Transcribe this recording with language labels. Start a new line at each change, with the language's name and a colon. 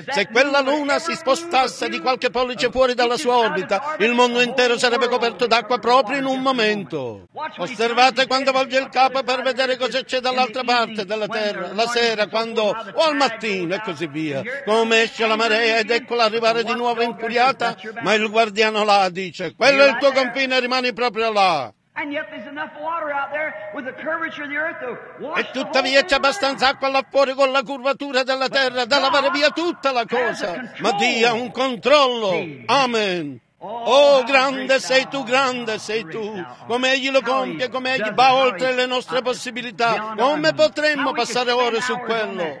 Italian: Se quella luna si spostasse di qualche pollice fuori dalla sua orbita, il mondo intero sarebbe coperto d'acqua proprio in un momento. Osservate quando volge il capo per vedere cosa c'è dall'altra parte della terra, la sera, quando, o al mattino, e così via. Come esce la marea ed eccola arrivare di nuovo infuriata, ma il guardiano là dice: quello è il tuo confine, rimani proprio là.
English: And yet there's enough water out there with the curvature of the earth to wash.
Italian: E tuttavia c'è abbastanza acqua là fuori con la curvatura della terra da lavare via tutta la cosa. Ma Dio ha un controllo. Amen. Oh, grande sei tu, grande sei tu. Come egli lo compie, come egli va oltre le nostre possibilità. Come potremmo passare ore su quello?